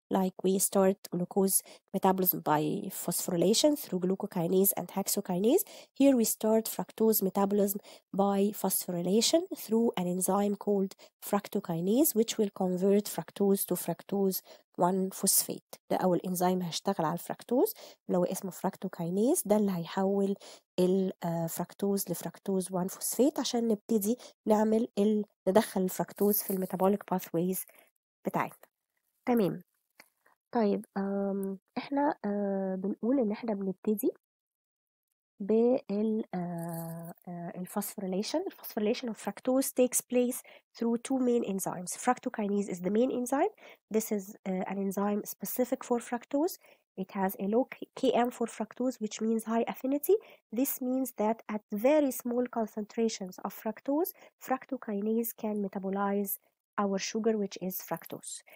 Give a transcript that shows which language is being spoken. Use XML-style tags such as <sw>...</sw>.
<en>Like we start glucose metabolism by phosphorylation through glucokinase and hexokinase. Here we start fructose metabolism by phosphorylation through an enzyme called fructokinase, which will convert fructose to fructose 1-phosphate.</en> <ar>ده أول إنزيم هشتغل على الفركتوز اللي هو اسمه فركتوكينيز. ده اللي هيحول الفركتوز لفركتوز 1-فوسفيت عشان نبتدي نعمل ندخل الفركتوز في الميتابوليك باثويز بتاعتنا. تمام. طيب احنا بنقول ان احنا بنبتدي بالفوسفوريليشن.</ar> <en>الفوسفوريليشن of fructose takes place through two main enzymes. Fructokinase is the main enzyme. This is an enzyme specific for fructose. It has a low KM for fructose, which means high affinity. This means that at very small concentrations of fructose, fructokinase can metabolize our sugar, which is fructose.</en>